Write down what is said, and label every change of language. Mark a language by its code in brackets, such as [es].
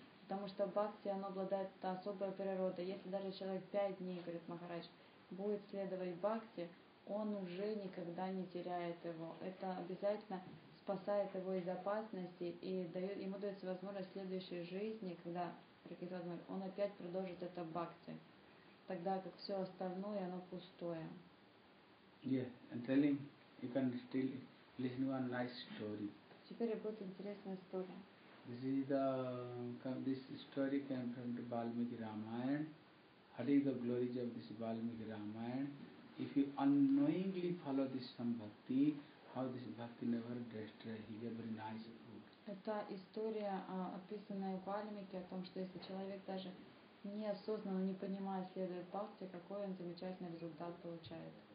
[ru] Потому что бхакти, оно обладает особой природой. Если даже человек 5 дней, говорит Махарадж, будет следовать бхакти, он уже никогда не теряет его. Это обязательно спасает его из опасности и ему дается возможность в следующей жизни, когда он опять продолжит это бхакти. Тогда как все остальное, оно пустое. [en] Yeah, I'm telling you can still listen to a nice story. [ru] Теперь будет интересная история. [en] This story came from the Valmiki Ramayana. What is the glory of this Valmiki Ramayana? If you unknowingly follow this sambhakti, how this bhakti never destroys, he gave very nice food. [ru] Это история, описанная в Вальмике, о том, что если человек даже неосознанно, не понимая, следует бхакти, какой он замечательный результат получает.